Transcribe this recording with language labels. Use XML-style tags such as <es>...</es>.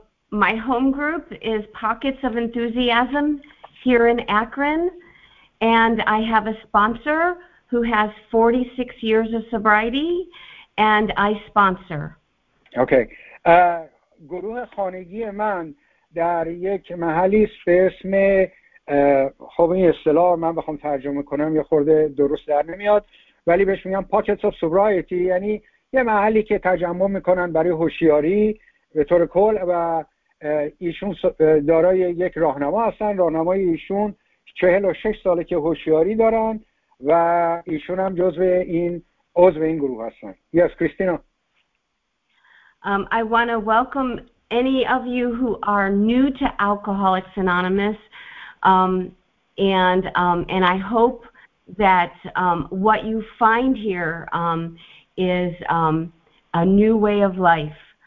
<en>My home group is Pockets of Enthusiasm here in Akron, and I have a sponsor who has 46 years of sobriety, and I sponsor. Okay.</en> <fa>گروه خانگی من در یک محلی است به اسم خب این اصطلاح من بخوام ترجمه کنم یه خورده درست در نمیاد، ولی بهش میگم</fa> <en>pockets of sobriety،</en> <fa>یعنی یه محلی که تجمع میکنن برای هوشیاری به طور کل، و ایشون دارای یک راهنما هستن. راهنمای ایشون 46 ساله که هوشیاری دارن و ایشون هم جزء این عضو این گروه هستن.</fa> <en>Yes, Christina. I want to welcome any of you who are new to Alcoholics Anonymous, and I hope that what you find here is a new way of life.</en>